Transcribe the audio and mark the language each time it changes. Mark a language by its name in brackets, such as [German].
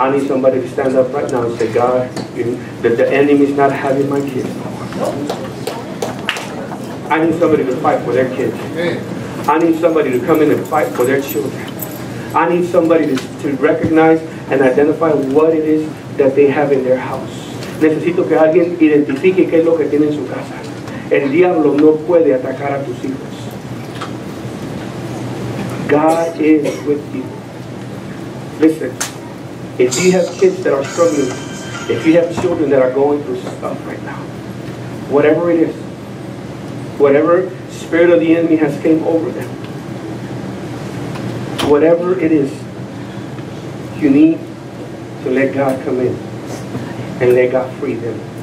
[English] I need somebody to stand up right now and say, God, the enemy's not having my kids. I need somebody to fight for their kids. I need somebody to come in and fight for their children. I need somebody to recognize and identify what it is that they have in their house. [Spanish] Necesito que alguien identifique qué es lo que tiene en su casa. El diablo no puede atacar a tus hijos. [English] God is with you. Listen, if you have kids that are struggling, if you have children that are going through stuff right now, whatever it is, whatever spirit of the enemy has came over them, whatever it is, you need to let God come in and let God free them.